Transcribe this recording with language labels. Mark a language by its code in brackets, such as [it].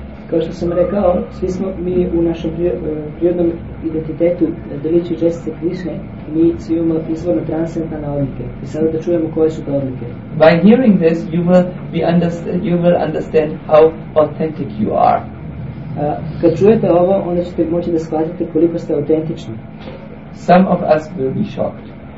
[sr] Kao što sam rekao, svi smo mi u našem prirodnom identitetu delići čestice Krišne, mi svi imamo izvorno transcendentalne odlike. I sada da čujemo koje su te odlike. [en] By hearing this, you will understand how authentic you are. [sr] Kad čujete ovo, onda ćete moći da shvatite koliko ste autentični. [en] Some of us will be shocked.